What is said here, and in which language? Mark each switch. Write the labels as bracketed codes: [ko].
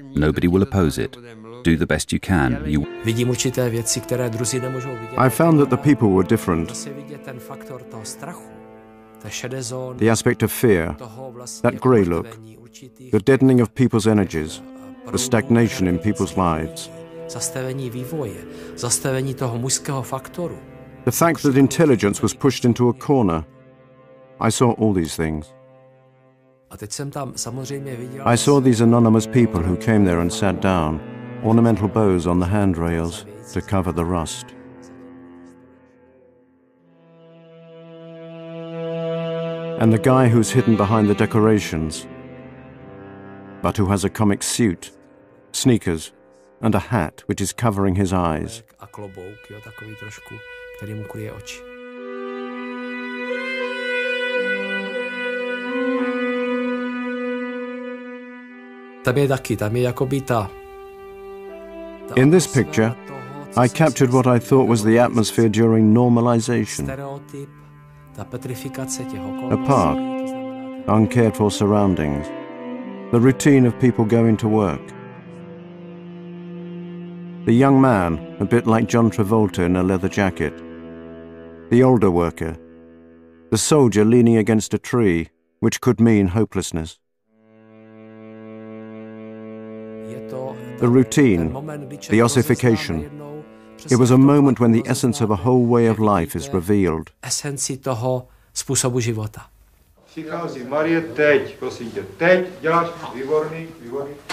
[en] Nobody will oppose it. Do the best you can. I found that the people were different. The aspect of fear, that grey look, the deadening of people's energies, the stagnation in people's lives. [cs] Zastavení vývoje, zastavení toho mužského faktoru. [en] The fact that intelligence was pushed into a corner. I saw all these things. [cs] A teď jsem tam samozřejmě viděl... [en] I saw these anonymous people who came there and sat down, ornamental bows on the handrails to cover the rust. And the guy who's hidden behind the decorations, but who has a comic suit, sneakers, and a hat which is covering his eyes. [cs] A klobouk, jo, takový trošku, který mu kryje oči. Tam je taky, tam je jakoby ta... [en] In this picture, I captured what I thought was the atmosphere during normalization. [cs] Stereotyp, ta petrifikace těch okolností. [en] A park, uncared for surroundings. The routine of people going to work. The young man, a bit like John Travolta in a leather jacket. The older worker. The soldier leaning against a tree, which could mean hopelessness. The routine, the ossification. It was a moment when the essence of a whole way of life is revealed. [cs] Esenci toho způsobu života. Přichází Marie, teď, prosím tě, teď, děláš, výborný, výborný.